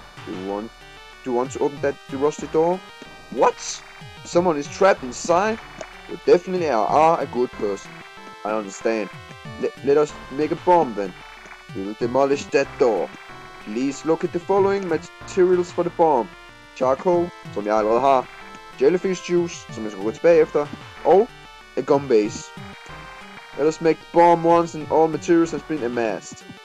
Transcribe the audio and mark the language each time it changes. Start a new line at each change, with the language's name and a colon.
English: Do you want to open that rusty door? What? Someone is trapped inside? You definitely are a good person. I understand. Let us make a bomb then. We will demolish that door. Please look at the following materials for the bomb.
Danish: Charcoal, som jeg allerede har.
English: Jellyfish juice,
Danish: som jeg skal gå tilbage efter. Og
English: a gum base. Let us make bomb once and all materials have been amassed.